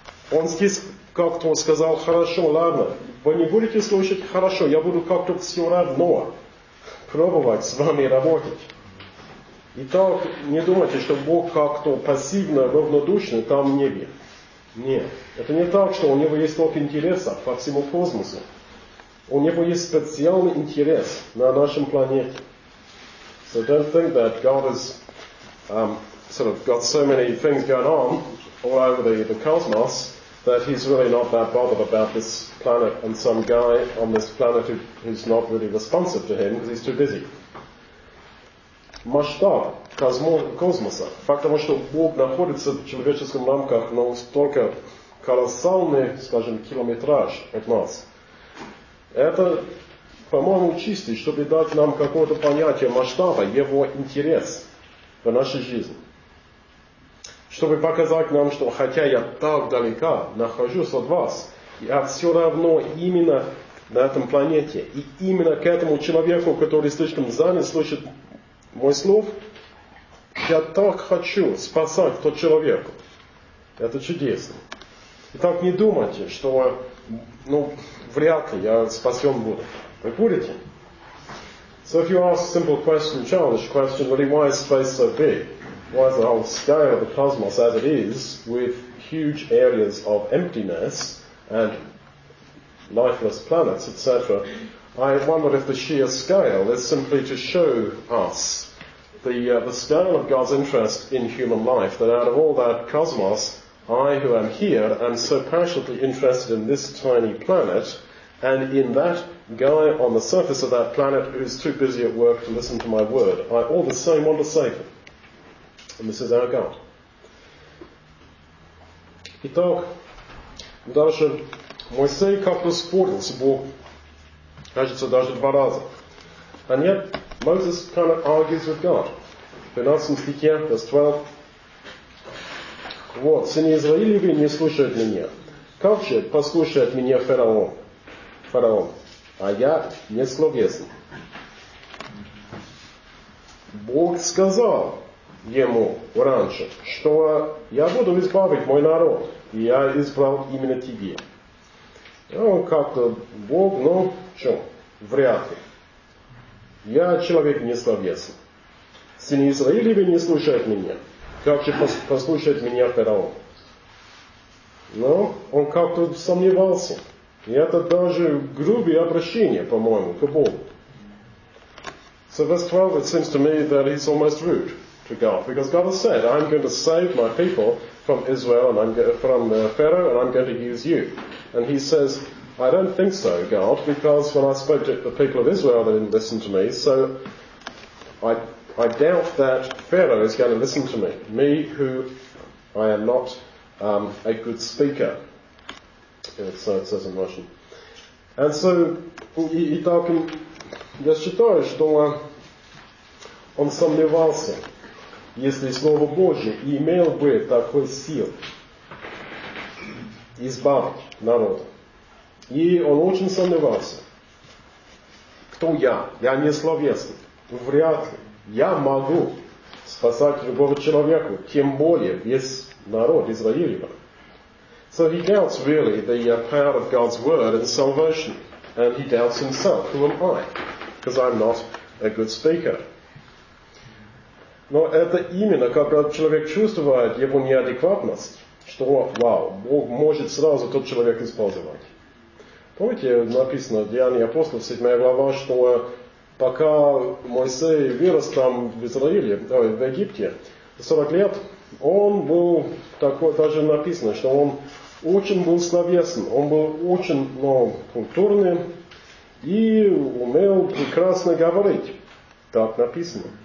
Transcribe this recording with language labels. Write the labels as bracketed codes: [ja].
[ru] Он здесь как-то сказал, хорошо, ладно. Вы не будете слушать, хорошо, я буду как-то все равно пробовать с вами работать. Итак, не думайте, что Бог как-то пассивно, равнодушно там в небе. Нет. Это не так, что у него есть ток интересов по всему космосу. У него есть специальный интерес на нашем планете. [en] So don't think that God has sort of got so many things going on all over the cosmos that he's really not that bothered about this planet and some guy on this planet who's not really responsive to him because he's too busy. [ru] Масштаб космоса, факт того, что Бог находится в человеческих рамках на столько колоссальный, скажем, километраж от нас, это, по-моему, чистый, чтобы дать нам какое-то понятие масштаба, его интерес в нашей жизни. Чтобы показать нам, что хотя я так далека нахожусь от вас, я все равно именно на этом планете и именно к этому человеку, который слишком занят, слышит мой слов, я так хочу спасать тот человек. Это чудесно. Итак, не думайте, что вряд ли я спасен буду. Вы будете? [en] So if you ask a simple question, childish question, really, why is space so big? Why is the whole scale of the cosmos as it is, with huge areas of emptiness and lifeless planets, etc.? I wonder if the sheer scale is simply to show us the scale of God's interest in human life, that out of all that cosmos, I who am here am so passionately interested in this tiny planet, and in that guy on the surface of that planet who's too busy at work to listen to my word. I all the same want to save him. And this is our God. [ru] Итак, дальше. Моисей как-то спорил с Богом. Кажется, даже два раза. [en] And yet, Moses kind of argues with God. [ru] В 12 стихе, [en] verse 12. [ru] Вот, сыны Израилевы не слушают меня. Как же послушает меня фараон? А я не словесен. Бог сказал ему раньше, что я буду избавить мой народ. И я избрал именно тебе. Ну, как-то Бог, вряд ли. Я человек не словесен. Сыны Израилевы не слушают меня. Как же послушает меня фараон? Но он как-то сомневался. И это даже грубое обращение, по-моему, к Богу. [en] So verse 12, it seems to me that he's almost rude to God. Because God has said, I'm going to save my people from Israel and from Pharaoh and I'm going to use you. And he says, I don't think so, God, because when I spoke to the people of Israel, they didn't listen to me. So I doubt that Pharaoh is going to listen to me who I am not a good speaker. So it says in Russian. And so, [ru] итак, я считаю, что он сомневался, если Слово Божие имел бы такой сил избавить народ. И он очень сомневался. Кто я? Я не словесный. Вряд ли. Я могу спасать любого человека, тем более весь народ Израилева. [en] So he doubts really the power of God's word and salvation. And he doubts himself. Who am I? Because I'm not a good speaker. [ru] Но это именно, когда человек чувствует его неадекватность, что, вау, Бог может сразу тот человек использовать. Помните, написано в Деяниях апостолов, 7 глава, что пока Моисей вырос там в Израиле, в Египте, 40 лет, он был такой, даже написано, что он очень был словесен, он был очень, ну, культурным и умел прекрасно говорить. Так написано.